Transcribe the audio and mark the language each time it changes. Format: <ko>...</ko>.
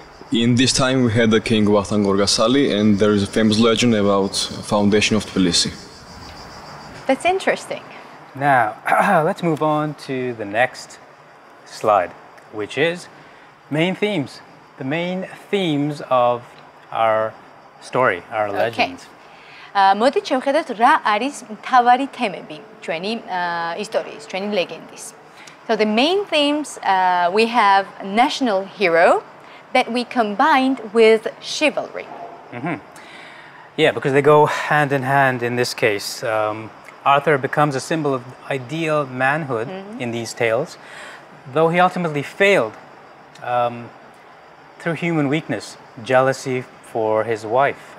<en>In this time, we had the King Vahtan Gorgasali, and there is a famous legend about the foundation of Tbilisi. That's interesting. Now, let's move on to the next slide, which is main themes. The main themes of our story, our legends. Okay.</en> <ka>Მოდი შევხედოთ რა არის მთავარი თემები ჩვენი ისტორიის, ჩვენი ლეგენდის.</ka> <en>So the main themes we have national hero that we combined with chivalry. Mm-hmm. Yeah, because they go hand in hand in this case. Arthur becomes a symbol of ideal manhood mm-hmm. in these tales, though he ultimately failed through human weakness, jealousy for his wife.</en>